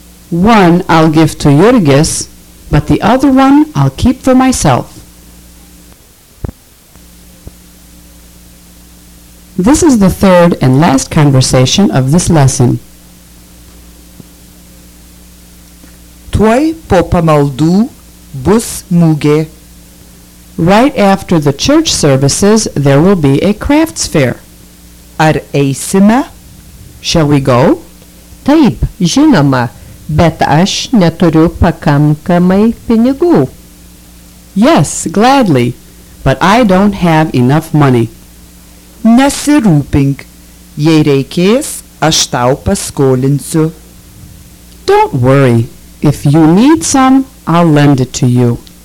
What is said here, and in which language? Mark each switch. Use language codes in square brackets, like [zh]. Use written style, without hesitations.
[en] One I'll give to Jurgis, but the other one I'll keep for myself. This is the third and last conversation of this lesson. [lt] Tuoj po pamaldų bus mugė. [en] Right after the church services, there will be a crafts fair. [lt] Ar eisime? [en] Shall we go? [lt] Taip, žinoma, bet aš neturiu pakankamai pinigų. [en] Yes, gladly, but I don't have enough money. [lt] Nesirūpink, jei reikės, aš tau paskolinsiu. [en] Don't worry, if you need some, I'll lend it to you.